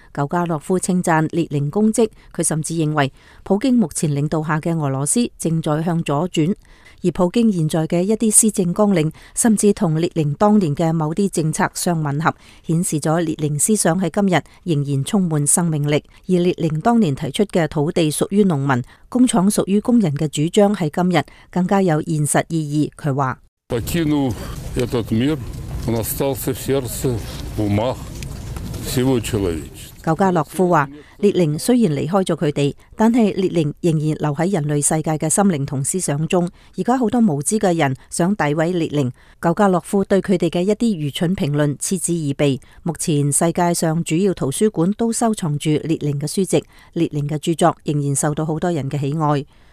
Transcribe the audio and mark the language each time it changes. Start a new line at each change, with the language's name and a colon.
Chinese: 久加诺夫称赞列宁功绩，他甚至认为普京目前领导下的俄罗斯正在向左转，而普京现在的一些施政纲领甚至同列宁当年的某些政策相相吻合，显示了列宁思想在今日仍然充满生命力。而列宁当年提出的土地属于农民、工厂属于工人的主张，在今日更加有现实意义。他说：
Russian: покинув этот мир, он остался в сердце, в умах всего человечества。
Chinese: 纽加洛夫说，列宁虽然离开了他们，但是列宁仍然留在人类世界的心灵和思想中。现在很多无知的人想诋毁列宁，纽加洛夫对他们的一些愚蠢评论嗤之以鼻。目前世界上主要图书馆都收藏着列宁的书籍，列宁的著作仍然受到很多人的喜爱。